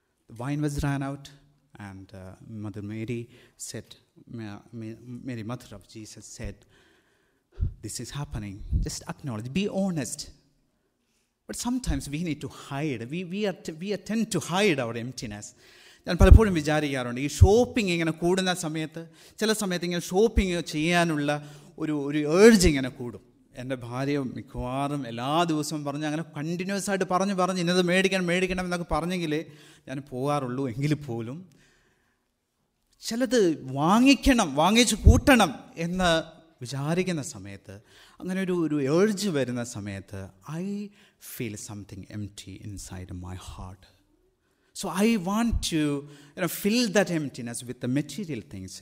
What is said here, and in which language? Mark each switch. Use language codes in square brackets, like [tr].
[en] The wine was ran out and Mother Mary said, Mary Mother of Jesus said, this is happening. Just acknowledge, be honest. But sometimes we need to hide. We tend to hide our emptiness. [ml] ഞാൻ പലപ്പോഴും വിചാരിക്കാറുണ്ട്, ഈ shopping ഇങ്ങനെ കൂടുന്ന സമയത്ത്, ചില സമയത്ത് ഇങ്ങനെ shopping ചെയ്യാനുള്ള ഒരു ഏർജ് ഇങ്ങനെ കൂടും. എൻ്റെ ഭാര്യ മിക്കവാറും എല്ലാ ദിവസവും പറഞ്ഞ് അങ്ങനെ കണ്ടിന്യൂസ് ആയിട്ട് പറഞ്ഞ് ഇന്നത് മേടിക്കണം എന്നൊക്കെ പറഞ്ഞെങ്കിലേ ഞാൻ പോകാറുള്ളൂ. എങ്കിൽ പോലും ചിലത് വാങ്ങിച്ച് കൂട്ടണം എന്ന് വിചാരിക്കുന്ന സമയത്ത്, അങ്ങനെ ഒരു ഏർജ് വരുന്ന സമയത്ത്, [en] I feel something empty inside my heart. So I want to fill that emptiness with the material things.